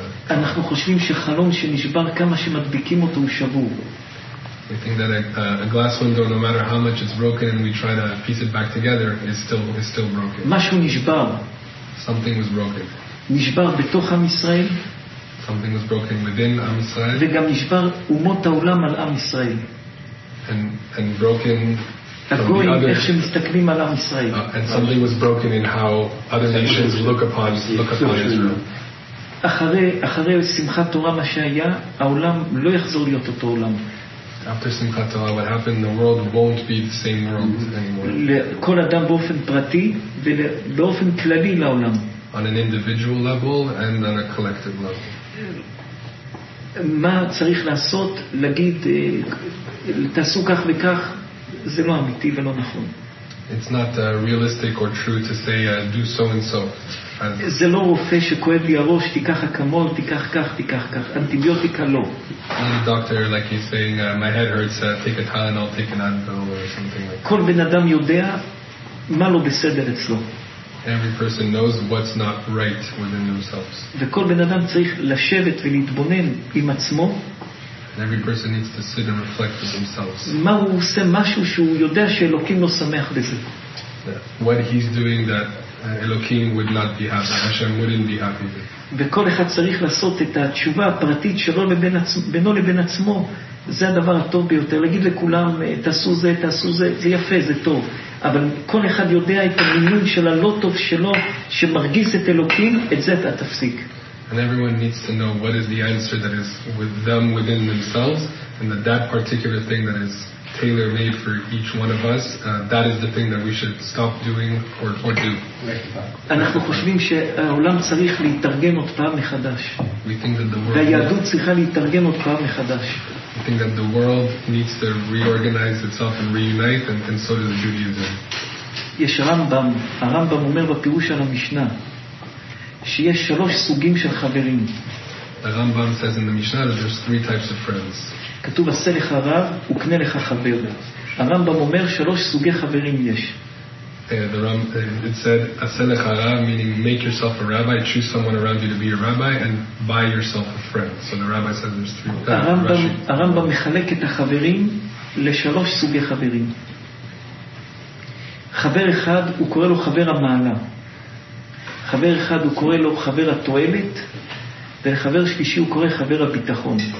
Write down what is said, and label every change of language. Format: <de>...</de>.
<he>אנחנו חושבים שחלון שנשבר כמה שמדביקים אותו הוא שבור.</he> <en>We think that a glass window, no matter how much it's broken and we try to piece it back together, is still broken.</en> <he>משהו נשבר.</he> <en>Something was broken.</en> <he>נשבר בתוך עם ישראל.</he> <en>Something was broken within Am Yisrael.</en> <he>וגם נשבר אומות העולם על עם ישראל.</he> <en>And broken</en> <he>הגויים, איך שמסתכלים על עם ישראל.</he> <en>And something was broken in how other nations look upon Israel.</en> <he>אחרי שמחת תורה מה שהיה, העולם לא יחזור להיות אותו עולם.</he> <en>After Simchat Torah, what happened, the world won't be the same world anymore.</en> <he>כל אדם באופן פרטי ובאופן כללי לעולם.</he> <en>On an individual level and on a collective level.</en> <he>מה צריך לעשות? להגיד, תעשו כך וכך, זה לא אמיתי ולא נכון.</he> <en>It's not realistic or true to say do so and so.</en> <he>זה לא רופא שכואב לי הראש, תיקח אקמול, תיקח כך, אנטיביוטיקה לא.</he> <en>Not a doctor like he's saying my head hurts, take a Tylenol, take an Advil or something like that.</en> <he>כל בן אדם יודע מה לא בסדר אצלו.</he> <en>Every person knows what's not right within themselves.</en> <he>וכל בן אדם צריך לשבת ולהתבונן עם עצמו.</he> <en>And every person needs to sit and reflect with themselves.</en> <he>מה הוא עושה, משהו שהוא יודע שאלוקים לא שמח בזה.</he> <en>What he's doing that Elohim would not be happy, Hashem wouldn't be happy with.</en> <he>וכל אחד צריך לעשות את התשובה הפרטית שלו בינו לבין עצמו. זה הדבר הטוב ביותר. להגיד לכולם, תעשו זה, זה יפה, זה טוב. אבל כל אחד יודע את המינוי של הלא טוב שלו שמרגיז את אלוקים, את זה אתה תפסיק.</he> <en>And everyone needs to know what is the answer that is with them within themselves, and that that particular thing that is tailor made for each one of us, that is the thing that we should stop doing or do.</en> <he>אנחנו חושבים שהעולם צריך להתרגם עוד פעם מחדש.</he> <en>We think that the world,</en> <he>והיהדות צריכה להתרגם עוד פעם מחדש.</he> <en>We think that the world needs to reorganize itself and reunite, and so does Judaism.</en> <he>יש רמב"ם, הרמב"ם אומר בפירוש על המשנה שיש שלוש סוגים של חברים.</he> <en>The Rambam says in the Mishnah that there's three types of friends.</en> <he>כתוב עשה לך רב וקנה לך חבר. הרמב"ם אומר שלוש סוגי חברים יש.</he> <en>It said</en> <he>עשה לך רב,</he> <en>meaning make yourself a rabbi, choose someone around you to be your rabbi and buy yourself a friend. So the rabbi says there's three.</en> <he>הרמב"ם מחלק את החברים לשלוש סוגי חברים. חבר אחד הוא קורא לו חבר המעלה. חבר אחד הוא קורא לו חבר התועלת, וחבר שלישי הוא קורא חבר הביטחון.</he>